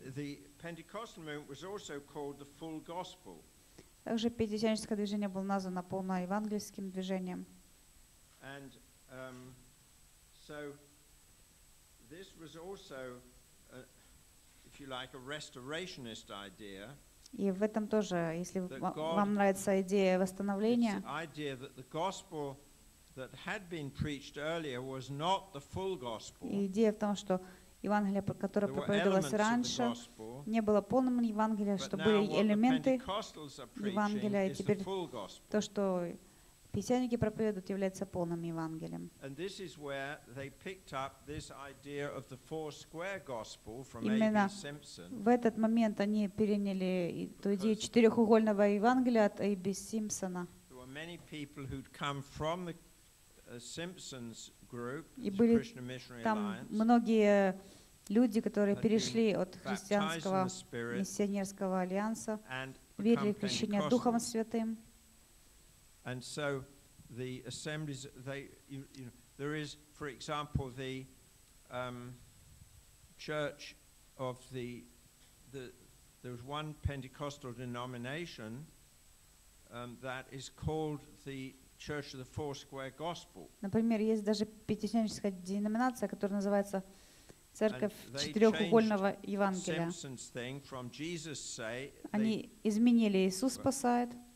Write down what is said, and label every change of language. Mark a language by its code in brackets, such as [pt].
[en] The Pentecostal movement was also called the full gospel. [ru] Также пятидесятническое движение было названо полноевангельским движением. [en] And so this was also if you like a restorationist idea. [ru] И в этом тоже, если вам нравится идея восстановления. [en] The idea that the gospel that had been preached earlier was not the full gospel. [ru] Идея в том, что Евангелие, которое проповедовалось раньше, не было полным Евангелием, что были элементы Евангелия, и теперь то, что пятидесятники проповедуют, является полным Евангелием. [en] And this is where they picked up this idea of the four square gospel from A.B. Simpson. [ru] В этот момент они переняли ту идею четырехугольного Евангелия от А.Б. Симпсона. [en] There were many people who'd come from the Simpsons group, [ru] и были [en] Christian Missionary [ru] там [en] Alliance, [ru] многие люди, которые перешли от христианского миссионерского альянса, верили в крещение Духом Святым. [en] And so the assemblies, they, you know, there is, for example, the church of there was one Pentecostal denomination that is called the Church of the Four Square Gospel. [ru] Например, есть даже пятидесятническая деноминация, которая называется Церковь четырехугольного Евангелия. Они изменили Иисус спасает.